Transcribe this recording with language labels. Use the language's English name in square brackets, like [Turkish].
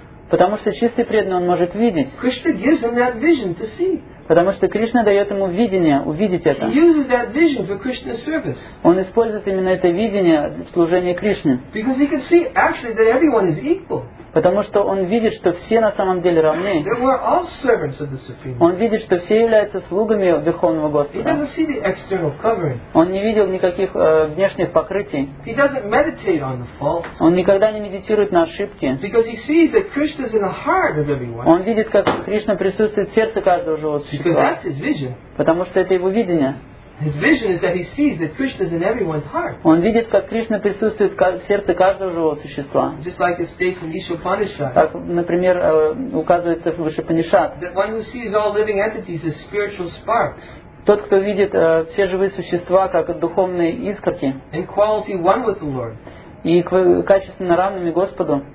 [Russian] Потому что чистый преданный, он может видеть. [English] Krishna gives him that vision to see. [Russian] Потому что Кришна дает ему видение, увидеть это. [English] He uses that vision for Krishna's service. [Russian] Он использует именно это видение в служении Кришне. [English] Because he can see actually that everyone is equal. [Russian] Потому что он видит, что все на самом деле равны. [English] That we're all servants of the Supreme. [Russian] Он видит, что все являются слугами Верховного Господа. [English] He doesn't see the external covering. [Russian] Он не видел никаких внешних покрытий. [English] He doesn't meditate on the faults. [Russian] Он никогда не медитирует на ошибки. [English] Because he sees that Krishna's in the heart of everyone. [Russian] Он видит, как Кришна присутствует в сердце каждого живого существа. [English] Because that's his vision. [Russian] Потому что это его видение. [English] His vision is that he sees that Krishna is in everyone's heart. [Russian] Он видит, как Кришна присутствует в сердце каждого живого существа. [English] Just like it states in Ишопанишад. [Russian] Так, например, указывается в Ишопанишад. [English] That one who sees all living entities as spiritual sparks. [Russian] Тот, кто видит все живые существа как духовные искорки. [English] In quality one with the Lord. [Russian] И качественно равными Господу.